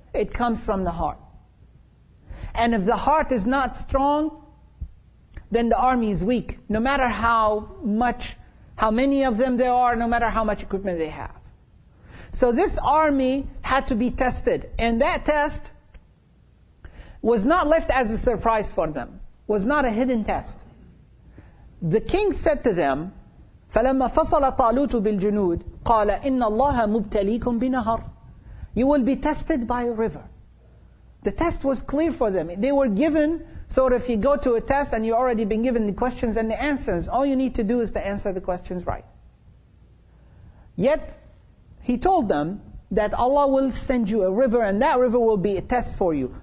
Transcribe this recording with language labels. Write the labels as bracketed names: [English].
[English] It comes from the heart. And if the heart is not strong, then the army is weak. No matter how many of them there are, no matter how much equipment they have. So this army had to be tested. And that test was not left as a surprise for them. Was not a hidden test. The king said to them, [Arabic] فَلَمَّا فَصَلَ طَالُوتُ بِالْجُنُودِ قَالَ إِنَّ اللَّهَ مُبْتَلِيكُمْ بِنَهَرٍ. [English] You will be tested by a river. The test was clear for them. They were given, so if you go to a test and you've already been given the questions and the answers, all you need to do is to answer the questions right. Yet, he told them that Allah will send you a river and that river will be a test for you.